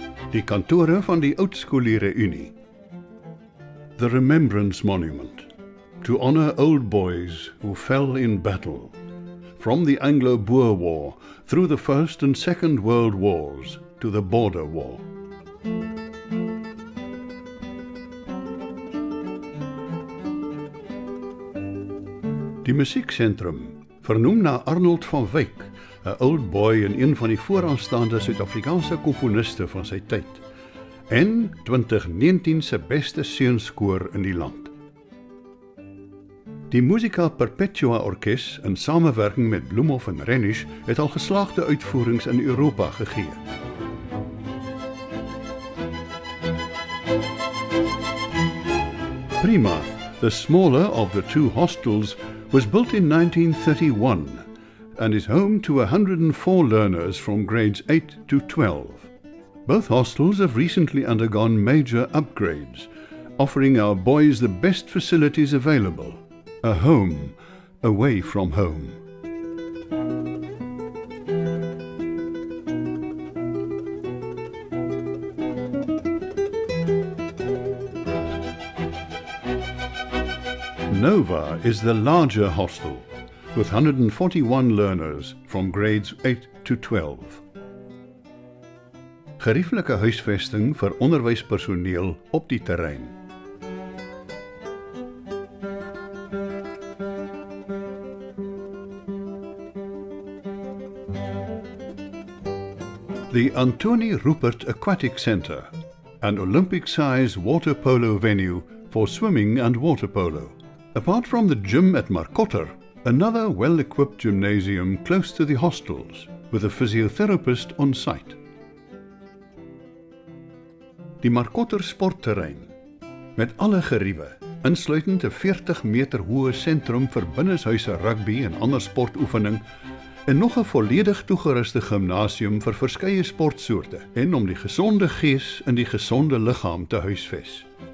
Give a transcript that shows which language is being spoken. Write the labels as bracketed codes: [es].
[af] Die kantore van die Oudskooliere Unie. [en] The Remembrance Monument, to honor old boys who fell in battle. From the Anglo-Boer War, through the First and Second World Wars, to the Border War. [af] Die Musiekcentrum, vernoem na Arnold van Wyk, 'n old boy en een van die vooraanstaande Suid-Afrikaanse komponiste van sy tyd, en 2019 se beste seunskoor in die land. Die Musica Perpetua Orkest, in samenwerking met Bloemhof en Rhenish, het al geslaagde uitvoerings in Europa gegee. [en] Prima, the smaller of the two hostels, was built in 1931 and is home to 104 learners from grades 8 to 12. Both hostels have recently undergone major upgrades, offering our boys the best facilities available. A home away from home. Nova is the larger hostel, with 141 learners from grades 8 to 12. [af] Gerieflike huisvesting vir onderwyspersoneel op die terrein. [en] The Antoni Rupert Aquatic Center, an Olympic-size water polo venue for swimming and water polo. Apart from the gym at Markotter, another well-equipped gymnasium close to the hostels, with a physiotherapist on site. [af] Die Markotter sportterrein, met alle geriewe, insluitend 'n 40 meter hoë sentrum vir binneshuise rugby en ander sportoefening, en nog 'n volledig toegeruste gimnasium vir verskeie sportsoorte, en om die gesonde gees in die gesonde liggaam te huisves.